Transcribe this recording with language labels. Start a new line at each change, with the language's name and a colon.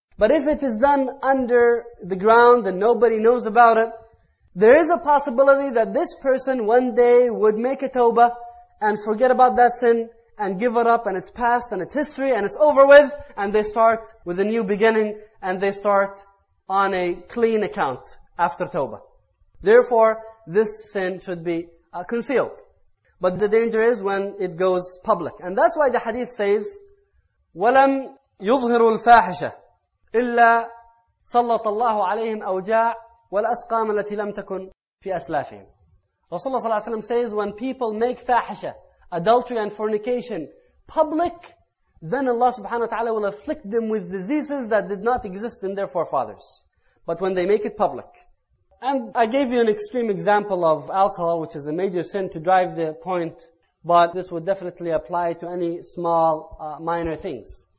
English: But if it is done under the ground and nobody knows about it, there is a possibility that this person one day would make a tawbah and forget about that sin and give it up, and it's past and it's history and it's over with, and they start with a new beginning and they start on a clean account after tawbah. Therefore, this sin should be concealed. But the danger is when it goes public. And that's why the hadith says,
Arabic: وَلَمْ يُظْهِرُ الْفَاحِشَ إِلَّا صَلَّطَ اللَّهُ عَلَيْهِمْ أَوْجَاعَ وَالْأَسْقَامَ الَّتِي لَمْ تَكُنْ فِي أَسْلَافِهِمْ.
English: Rasulullah
Arabic: صلى الله عليه وسلم
English: says, when people make fahisha, adultery and fornication public, then Allah subhanahu wa ta'ala will afflict them with diseases that did not exist in their forefathers. But when they make it public. And I gave you an extreme example of alcohol, which is a major sin, to drive the point, but this would definitely apply to any small, minor things.